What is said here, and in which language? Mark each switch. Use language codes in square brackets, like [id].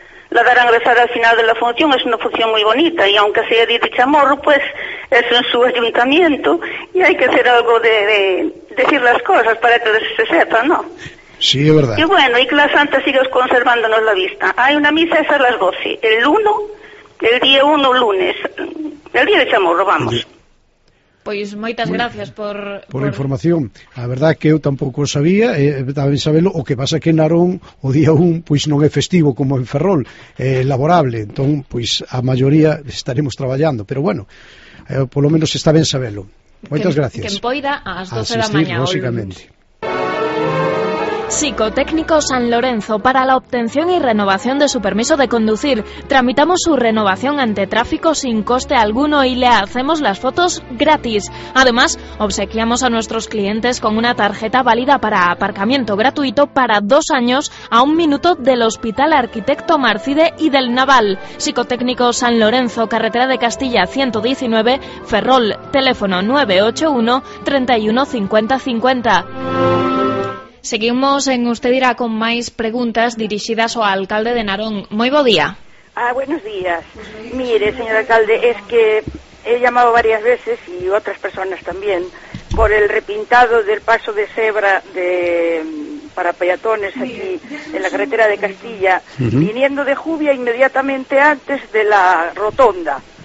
[es] La darán rezada al final de la función, es una función muy bonita, y aunque sea de Chamorro, pues es en su ayuntamiento y hay que hacer algo de decir las cosas para que se sepa, ¿no? Sí, es verdad. Y bueno, y que la Santa sigue conservándonos la vista. Hay una misa esa a las 12, el día 1, lunes, el día de Chamorro, vamos. [gl] Pois moitas gracias por a información. A verdade que eu tampouco sabía, tamén sabelo, o que pasa que en Narón o día 1 pois non é festivo como en Ferrol, é laborable, entón pois a maioría estaremos traballando, pero bueno, polo menos está ben sabelo. Moitas gracias. Quen poida ás 12 asistir, da mañá. [es] Psicotécnico San Lorenzo, para la obtención y renovación de su permiso de conducir, tramitamos su renovación ante tráfico sin coste alguno y le hacemos las fotos gratis. Además, obsequiamos a nuestros clientes con una tarjeta válida para aparcamiento gratuito para 2 años a un minuto del Hospital Arquitecto Marcide y del Naval. Psicotécnico San Lorenzo, carretera de Castilla 119, Ferrol, teléfono 981-315050. [gl] Seguimos en Usted Irá con máis preguntas dirixidas ao alcalde de Narón. Moi bo día. [es] Ah, buenos días. Mire, señor alcalde, es que he llamado varias veces, y otras personas también, por el repintado del paso de cebra de para peatones aquí en la carretera de Castilla, viniendo de Jubia inmediatamente antes de la rotonda.